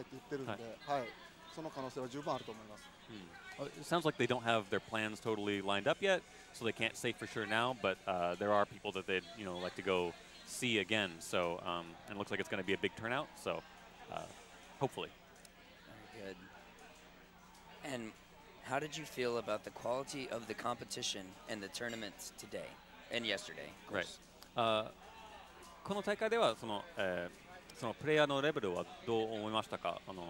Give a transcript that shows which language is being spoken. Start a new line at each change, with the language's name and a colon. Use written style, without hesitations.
Japanese: あの、東京の、まだちょっとね、ちょっと予定がわからないんで、まだちょっと決め兼ねてますけど、でも海外の方がね、いっぱい来てくださるって言ってるんで、兄貴とかもね、やっぱり会ってみたい、もう一度お会いしたいって言ってるんで、その可能性は十分あると思います。
English: It sounds like they don't have their plans totally lined up yet, so they can't say for sure now, but there are people that they'd like to go see again, so it looks like it's going to be a big turnout, so hopefully. Very good. And how did you feel about the quality of the competition and the tournament today and yesterday, of course? Right.
Japanese: この大会ではプレイヤーのレベルはどう思いましたか?